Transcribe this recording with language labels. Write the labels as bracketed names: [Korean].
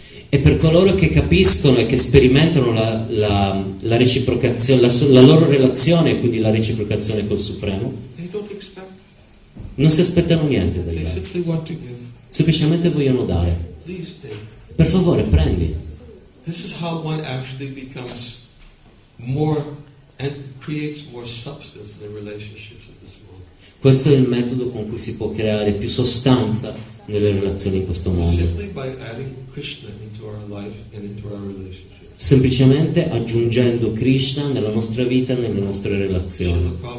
[Italian] E per coloro che capiscono e che sperimentano la reciprocazione, la loro relazione, quindi la reciprocazione col Supremo, non si aspettano niente da loro. Semplicemente vogliono dare. Per favore, prendi. [English] This is how one actually becomes more and creates more substance in the relationships of this world. [Italian] Questo è il metodo con cui si può creare più sostanza nelle relazioni in questo mondo. [English] Simply by adding Krishna into our life and into our relationships. [Italian] semplicemente aggiungendo Krishna nella nostra vita, nelle nostre relazioni.